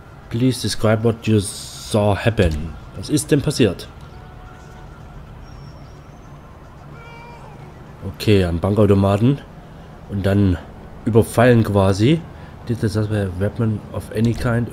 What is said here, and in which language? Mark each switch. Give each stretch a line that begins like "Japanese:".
English: Please describe what you saw happen.
German: Was ist denn passiert? Okay, am Bankautomaten und dann überfallen quasi.
English: Did this have a weapon of any kind?